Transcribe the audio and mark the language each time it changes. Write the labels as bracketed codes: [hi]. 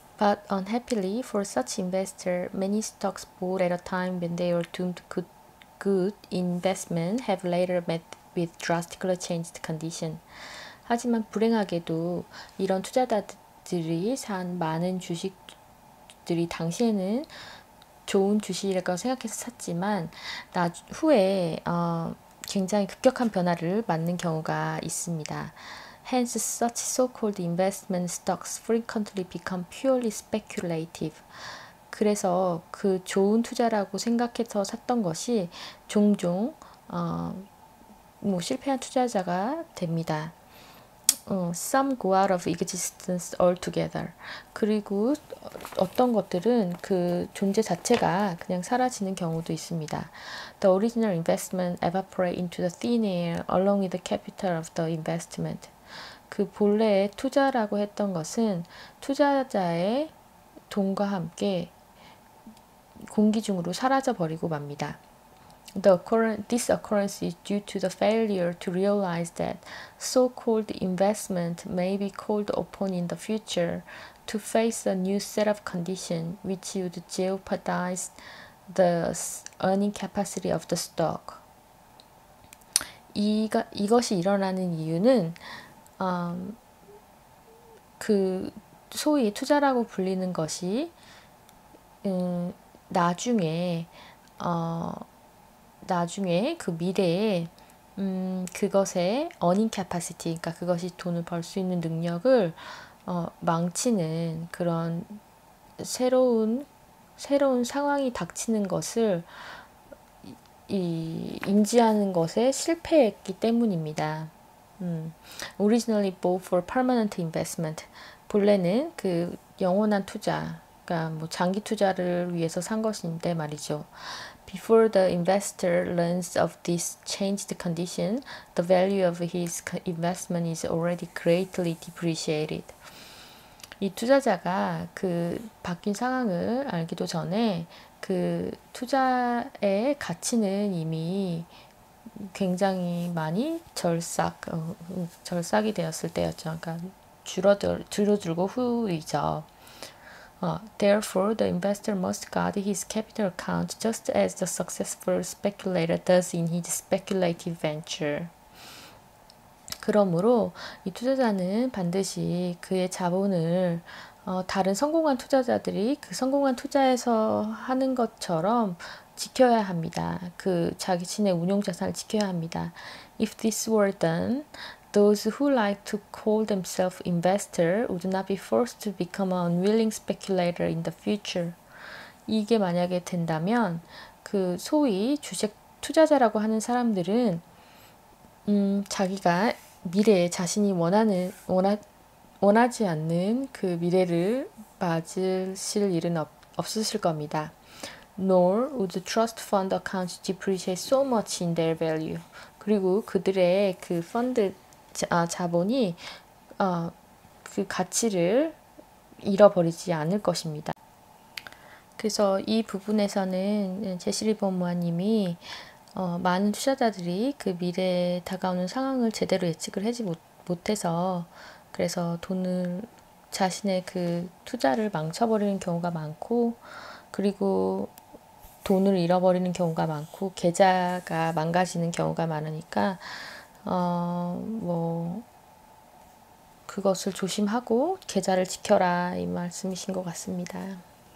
[en] But unhappily, for such investors, many stocks bought at a time when they were doomed to good investment have later met with drastically changed condition. [ko] 하지만 불행하게도 이런 투자자들이 산 많은 주식들이 당시에는 좋은 주식이라고 생각해서 샀지만 나 후에 굉장히 급격한 변화를 맞는 경우가 있습니다. [en] Hence, such so-called investment stocks frequently become purely speculative. [ko] 그래서 그 좋은 투자라고 생각해서 샀던 것이 종종 뭐 실패한 투자자가 됩니다. [en] Some go out of existence altogether. [ko] 그리고 어떤 것들은 그 존재 자체가 그냥 사라지는 경우도 있습니다. [en] The original investment evaporate into the thin air along with the capital of the investment. [ko] 그 본래의 투자라고 했던 것은 투자자의 돈과 함께 공기 중으로 사라져 버리고 맙니다. [en] This occurrence is due to the failure to realize that so-called investment may be called upon in the future to face a new set of conditions which would jeopardize the earning capacity of the stock. [ko] 이것이 일어나는 이유는 그 소위 투자라고 불리는 것이 나중에 그 미래에 그것의 earning capacity, 그러니까 그것이 돈을 벌수 있는 능력을 망치는 그런 새로운 상황이 닥치는 것을 인지하는 것에 실패했기 때문입니다. [en] Originally bought for permanent investment. [ko] 본래는 그 영원한 투자, 그러니까 뭐 장기 투자를 위해서 산 것인데 말이죠. [en] Before the investor learns of this changed condition, the value of his investment is already greatly depreciated. [ko] 이 투자자가 그 바뀐 상황을 알기도 전에 그 투자의 가치는 이미 굉장히 많이 절삭이 되었을 때였죠. 그러니까 줄어들고 후이죠. [en] Therefore, the investor must guard his capital account just as the successful speculator does in his speculative venture. [ko] 그러므로 이 투자자는 반드시 그의 자본을 다른 성공한 투자자들이 그 성공한 투자에서 하는 것처럼 지켜야 합니다. 그 자신의 운용 자산을 지켜야 합니다. [en] If this were done, those who like to call themselves investor would not be forced to become an unwilling speculator in the future. [ko] 이게 만약에 된다면 그 소위 주식 투자자라고 하는 사람들은 자기가 미래에 자신이 원하지 않는 그 미래를 맞으실 일은 없으실 겁니다. [en] Nor would the trust fund accounts depreciate so much in their value. [ko] 그리고 그들의 그 펀드 자본이 그 가치를 잃어버리지 않을 것입니다. 그래서 이 부분에서는 제시리 법무관님이 많은 투자자들이 그 미래에 다가오는 상황을 제대로 예측을 하지 못해서 그래서 돈을 자신의 그 투자를 망쳐버리는 경우가 많고 그리고 돈을 잃어버리는 경우가 많고 계좌가 망가지는 경우가 많으니까 뭐 그것을 조심하고 계좌를 지켜라 이 말씀이신 것 같습니다.